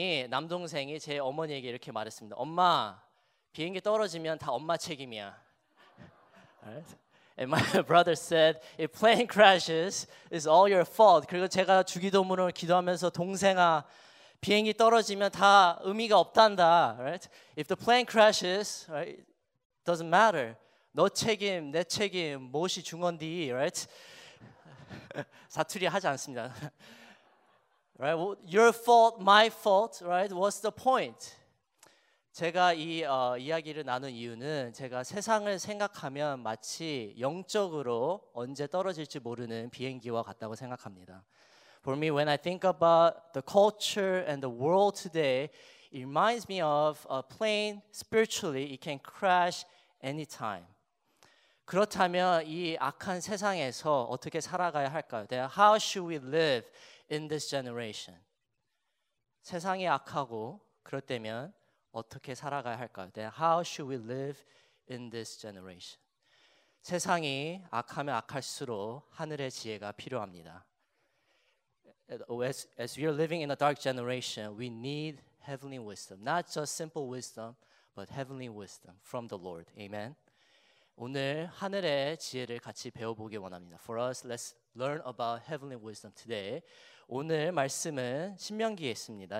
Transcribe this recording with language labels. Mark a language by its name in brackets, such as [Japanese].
[Korean] 남동생이 제 어머니에게 이렇게 말했습니다. 엄마, 비행기 떨어지면 다 엄마 책임이야. [English] And my brother said, if plane crashes, it's all your fault. [Korean] 그리고 제가 주기도문을 기도하면서 동생아, 비행기 떨어지면 다 의미가 없단다, right? [English] If the plane crashes, right, doesn't matter. [Korean] 너 책임, 내 책임, 무엇이 중헌디, right? 사투리 하지 않습니다. Right? [English] Your fault, my fault, right? What's the point? [Korean] 제가 이 이야기를 나눈 이유는 제가 세상을 생각하면 마치 영적으로 언제 떨어질지 모르는 비행기와 같다고 생각합니다. [English] For me, when I think about the culture and the world today, it reminds me of a plane spiritually. It can crash anytime. [Korean] 그렇다면 이 악한 세상에서 어떻게 살아가야 할까요? [English] Then how should we live in this generation? [Korean] 세상이 악하고 그렇다면 어떻게 살아가야 할까요? [English] Then how should we live in this generation? [Korean] 세상이 악하면 악할수록 하늘의 지혜가 필요합니다. [English] As we are living in a dark generation, we need heavenly wisdom. Not just simple wisdom, but heavenly wisdom from the Lord. Amen. [Korean] 오늘 하늘의 지혜를 같이 배워보길 원합니다. [English] For us, let's learn about heavenly wisdom today. [Korean] 오늘 말씀은 신명기에 있습니다.